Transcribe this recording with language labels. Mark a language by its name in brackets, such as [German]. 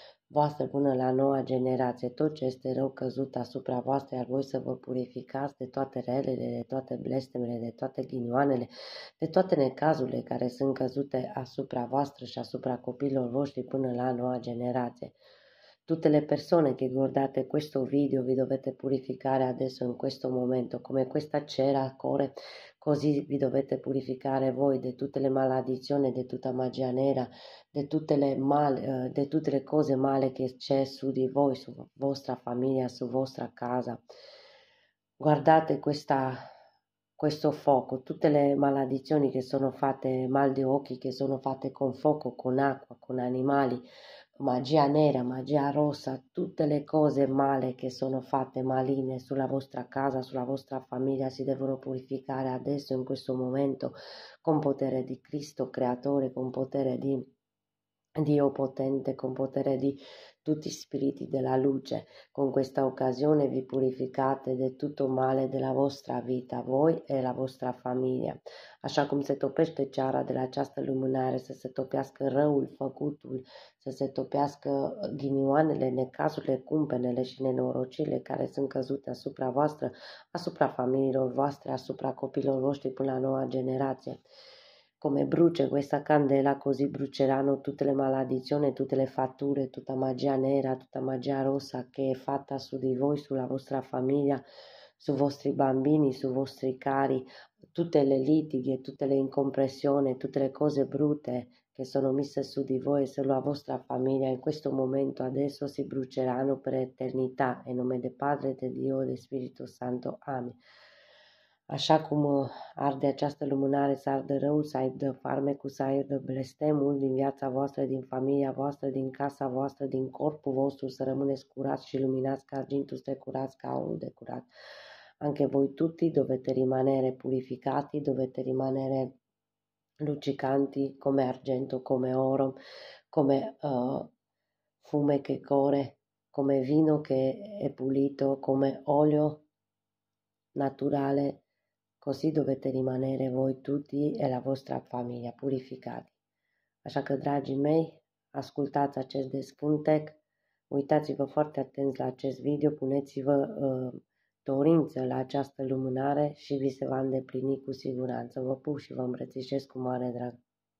[Romanian] voastră până la noua generație, tot ce este rău căzut asupra voastră, iar voi să vă purificați de toate relele, de toate blestemele, de toate ghinioanele, de toate necazurile care sunt căzute asupra voastră și asupra copiilor voștri până la noua generație. [Italian] Tutte le persone che guardate questo video vi dovete purificare adesso in questo momento, come questa cera al cuore, così vi dovete purificare voi di tutte le maledizioni, di tutta magia nera, di tutte le cose male che c'è su di voi, su vostra famiglia, su vostra casa. Guardate questo fuoco, tutte le maledizioni che sono fatte, mal di occhi che sono fatte con fuoco, con acqua, con animali, magia nera, magia rossa, tutte le cose male che sono fatte, maligne, sulla vostra casa, sulla vostra famiglia, si devono purificare adesso, in questo momento, con potere di Cristo Creatore, con potere di Dio potente, con potere di tutti gli spiriti della luce. Con questa occasione vi purificate di tutto male della vostra vita, voi e la vostra famiglia. [Romanian] Așa cum se topește ceara de la această lumânare, să se topească răul, făcutul, să se topească ghinioanele, necazurile, cumpenele și nenorocile care sunt căzute asupra voastră, asupra familiilor voastre, asupra copiilor voștri până la noua generație. [Italian] Come brucia questa candela, così bruceranno tutte le maledizioni, tutte le fatture, tutta magia nera, tutta magia rossa che è fatta su di voi, sulla vostra famiglia, sui vostri bambini, sui vostri cari, tutte le litighe, tutte le incomprensioni, tutte le cose brutte che sono messe su di voi e sulla vostra famiglia, in questo momento adesso si bruceranno per eternità. In nome del Padre, del Dio e del Spirito Santo. Amen. [Romanian] Așa cum arde această lumânare, să ardă răul, să ardă farmecul, să ardă blestemul din viața voastră, din familia voastră, din casa voastră, din corpul vostru, să rămâneți curați și luminați ca argintul strecurat, ca aurul de curat. [Italian] Anche voi tutti dovete rimanere purificati, dovete rimanere luccicanti come argento, come oro, come fume che corre, come vino che è pulito, come olio naturale. Così dovete rimanere voi tutti e la vostra famiglia purificati. [Romanian] Așa că, dragii mei, ascultați acest descântec, uitați-vă foarte atenți la acest video, puneți-vă dorință la această lumânare și vi se va îndeplini cu siguranță. Vă pup și vă îmbrățișez cu mare drag.